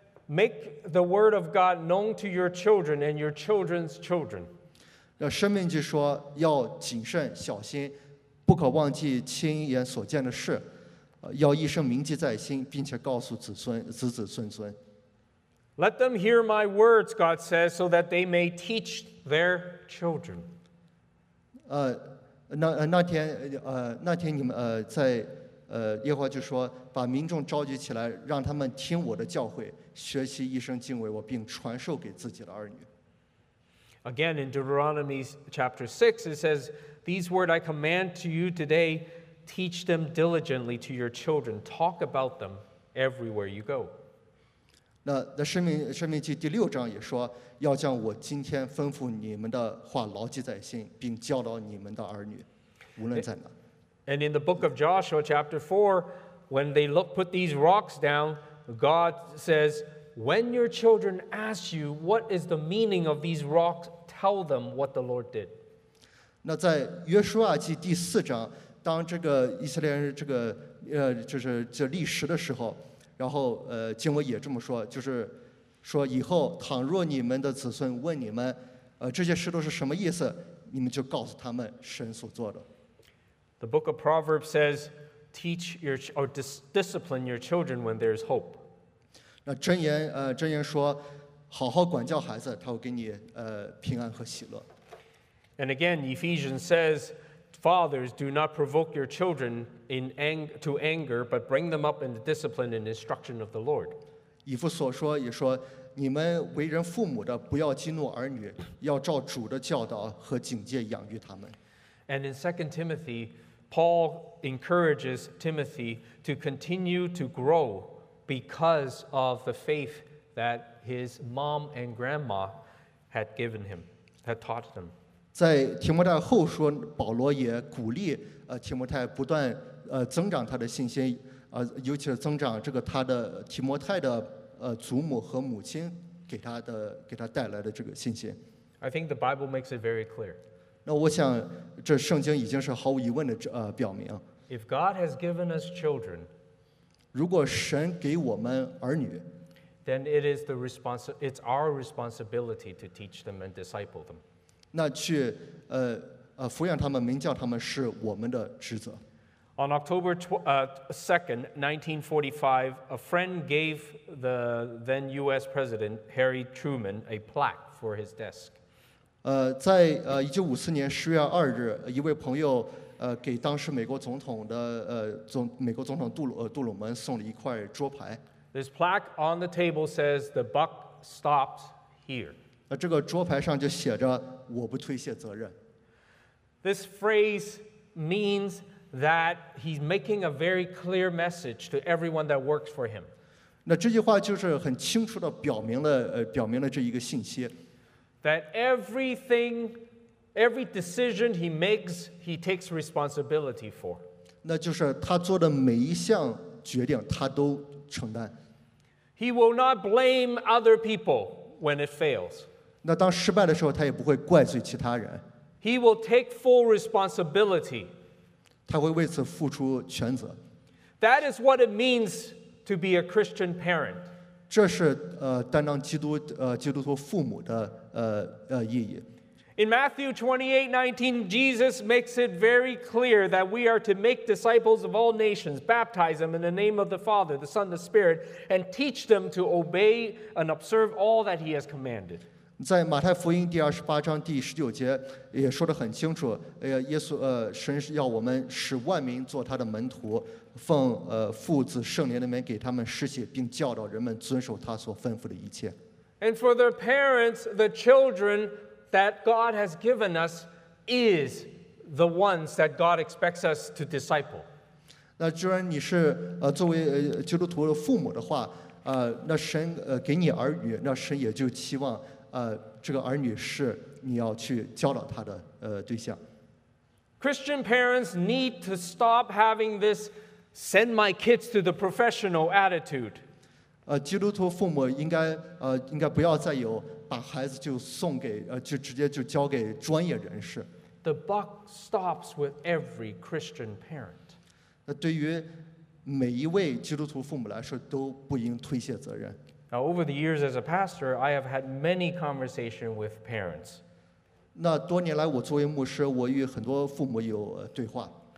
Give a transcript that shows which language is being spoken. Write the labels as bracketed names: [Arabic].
[English] Make the word of God known to your children and your children's children. [Chinese] 申命记说要谨慎小心，不可忘记亲眼所见的事，要一生铭记在心，并且告诉子孙子子孙孙。 [English] Let them hear my words, God says, so that they may teach their children. [Chinese] 那天你们在耶和华就说把民众召集起来，让他们听我的教诲。学习一生敬畏我，并传授给自己的儿女。 [English] Again, in Deuteronomy chapter 6, it says, These words I command to you today, teach them diligently to your children. Talk about them everywhere you go. [Chinese] 那申命记第六章也说，要将我今天吩咐你们的话牢记在心，并教导你们的儿女，无论在哪。 [English] And in the book of Joshua chapter 4, when they put these rocks down,God says, when your children ask you what is the meaning of these rocks, tell them what the Lord did. [Chinese] 那在约书亚记第四章，当这个以色列人这个就是这立石的时候，然后经文也这么说，就是说以后倘若你们的子孙问你们，这些石头是什么意思，你们就告诉他们神所做的。 [English] The book of Proverbs says,Teach your or discipline your children when there is hope. [Chinese] 那箴言说，好好管教孩子，他会给你平安和喜乐。 [English] And again, Ephesians says, Fathers, do not provoke your children to anger, but bring them up in the discipline and instruction of the Lord. [Chinese] 以弗所说也说，你们为人父母的，不要激怒儿女，要照主的教导和警戒养育他们。 [English] And in 2 Timothy, Paul encourages Timothy to continue to grow because of the faith that his mom and grandma had given him, had taught them. [Chinese] 在提摩太后书，保罗也鼓励提摩太不断增长他的信心，尤其是增长这个他的提摩太的祖母和母亲给他带来的这个信心。 [English] I think the Bible makes it very clear. [Chinese] 那我想这圣经已经是毫无疑问的表明。 [English] If God has given us children, [Chinese] 如果神给我们儿女， [English] then it is it's our responsibility to teach them and disciple them. [Chinese] 那去抚养他们、名教他们是我们的职责。 [English] On October 2nd, 1945, a friend gave the then U.S. President Harry Truman a plaque for his desk. [Chinese] 在1954年10月2日，一位朋友给当时美国总统的美国总统杜鲁门送了一块桌牌。 [English] This plaque on the table says, "The buck stops here." [Chinese] 这个桌牌上就写着，我不推卸责任。 [English] This phrase means that he's making a very clear message to everyone that works for him. [Chinese] 那这句话就是很清楚地表明了这一个信息。 [English] That every decision he makes, he takes responsibility for. [Chinese] 那就是他做的每一项决定，他都承担。 [English] He will not blame other people when it fails. [Chinese] 那当失败的时候，他也不会怪罪其他人。 [English] He will take full responsibility. [Chinese] 他会为此付出全责。 [English] That is what it means to be a Christian parent. [Chinese] 这是担当基督徒父母的意义。 [English] In Matthew 28:19, Jesus makes it very clear that we are to make disciples of all nations, baptize them in the name of the Father, the Son, the Spirit, and teach them to obey and observe all that he has commanded. [Chinese] 在马太福音第二十八章第十九节也说得很清楚，耶稣神要我们使万民做他的门徒，奉父子圣灵的名给他们施洗，并教导人们遵守他所吩咐的一切。 [English] And for their parents, the children that God has given us is the ones that God expects us to disciple. [Chinese] 那既然你是作为基督徒的父母的话，那神给你儿女，那神也就期望这个儿女是你要去教导他的对象。 [English] Christian parents need to stop having this "send my kids to the professional" attitude. [Chinese] 基督徒父母应该不要再有把孩子就送给就直接就交给专业人士。 [English] The buck stops with every Christian parent. [Chinese] 那对于每一位基督徒父母来说，都不应推卸责任。 [English] Now, over the years as a pastor, I have had many conversations with parents. [Chinese] 那多年来，我作为牧师，我与很多父母有对话。